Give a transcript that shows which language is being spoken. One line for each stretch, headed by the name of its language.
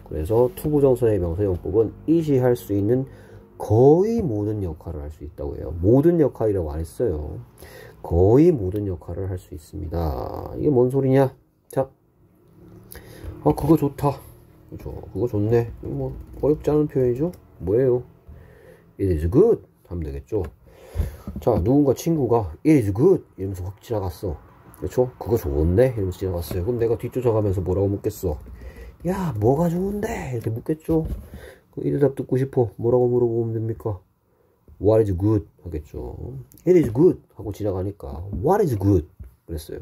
Korean: 그래서 투부정사의 명사용법은 이시할 수 있는 거의 모든 역할을 할수 있다고 해요. 모든 역할이라고 안 했어요. 거의 모든 역할을 할수 있습니다. 이게 뭔 소리냐? 자, 그거 좋다. 그거 좋네. 뭐 어렵지 않은 표현이죠? 뭐예요?
English: It is good
Korean: 하면 되겠죠. 자, 누군가 친구가
English: It is good
Korean: 이러면서 확 지나갔어. 그렇죠? 그거 좋은데? 이러면서 지나갔어요. 그럼 내가 뒤쫓아가면서 뭐라고 묻겠어? 야, 뭐가 좋은데? 이렇게 묻겠죠? 그이 대답 듣고 싶어. 뭐라고 물어보면 됩니까?
English: What is good?
Korean: 하겠죠.
English: It is good!
Korean: 하고 지나가니까.
English: What is good?
Korean: 그랬어요.